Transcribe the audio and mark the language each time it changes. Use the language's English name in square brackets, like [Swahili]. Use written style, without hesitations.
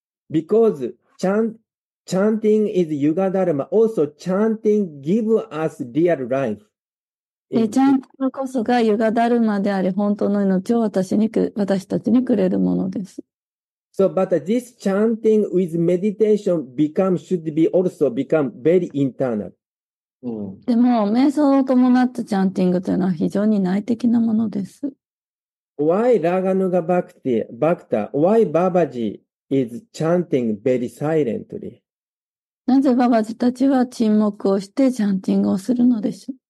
[English] Because chanting is yuga dharma, also chanting give us real life. [Japanese] で、チャンティングこそがユガダルマであり、本当の命を私たちにくれるものです。 [English] So, but this chanting with meditation should be also become very internal. [Japanese] でも、瞑想を伴ったチャンティングというのは非常に内的なものです。 [English] Why Raganuga Bhakti, Bhakta, why Babaji is chanting very silently? [Japanese] なぜババジたちは沈黙をしてチャンティングをするのでしょう？